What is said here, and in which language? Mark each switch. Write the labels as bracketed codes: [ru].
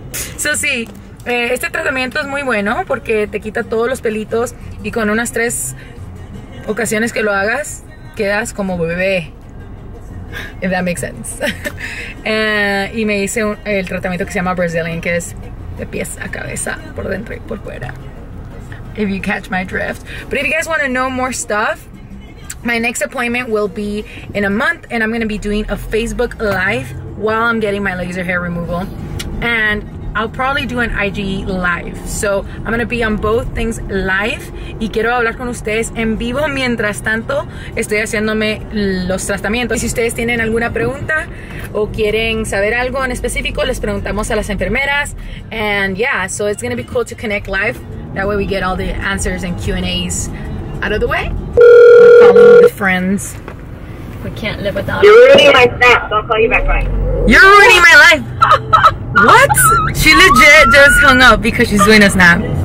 [es] So, sí, este tratamiento es muy bueno porque te quita todos los pelitos y con unas 3 ocasiones que lo hagas, quedas como bebé. [en] If that makes sense. [es] Y me hice el tratamiento que se llama Brazilian, que es de pies a cabeza, por dentro y por fuera. [en] If you catch my drift. But if you guys want to know more stuff, my next appointment will be in a month and I'm gonna be doing a Facebook Live while I'm getting my laser hair removal. And I'll probably do an IG Live. So I'm gonna be on both things live. [es] Y quiero hablar con ustedes en vivo mientras tanto estoy haciéndome los tratamientos. Y si ustedes tienen alguna pregunta o quieren saber algo en específico, les preguntamos a las enfermeras. [en] And yeah, so it's gonna be cool to connect live. That way we get all the answers and Q&As out of the way. With friends, we can't live without you're ruining her. My snap. So I'll call you back. Bye. You're ruining my life. What? She legit just hung up because she's doing a snap.